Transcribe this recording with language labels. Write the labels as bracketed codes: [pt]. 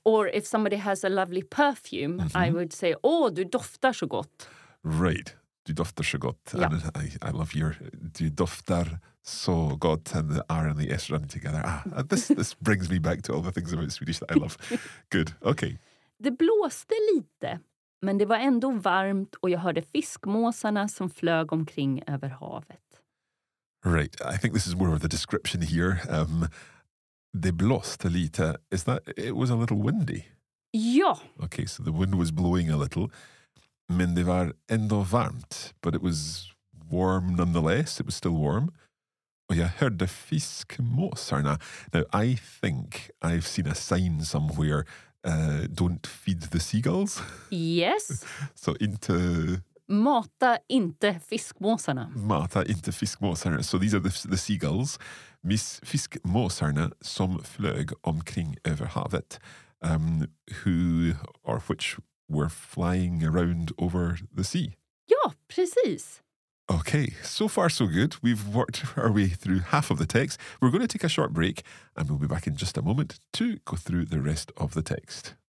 [en] Or if somebody has a lovely perfume, mm-hmm. I would say, oh, [sv] du doftar så gott. Right, du doftar så gott. Ja. [en] And I love your, [sv] du doftar så gott, [en] and the R and the S running together. Ah, this brings me back to all the things about Swedish that I love. Good, okay. [sv] Det blåste lite, men det var ändå varmt och jag hörde fiskmåsarna som flög omkring över havet. [en] Right, I think this is more of the description here. [sv] Det blåste lite. [en] Is that, it was a little windy? [sv] Ja. [en] Okay, so the wind was blowing a little. [sv] Men det var ändå varmt. [en] But it was warm nonetheless. It was still warm. [sv] Och jag hörde fiskmåsarna. [en] Now, I think I've seen a sign somewhere. Don't feed the seagulls. Yes. So into... [sv] Mata inte fiskmåsarna. Mata inte fiskmåsarna. [en] So these are the seagulls. [sv] Miss fiskmåsarna som flög omkring över havet. [en] Who or which were flying around over the sea. [sv] Ja, precis. [en] Okay, so far so good. We've worked our way through half of the text. We're going to take a short break and we'll be back in just a moment to go through the rest of the text.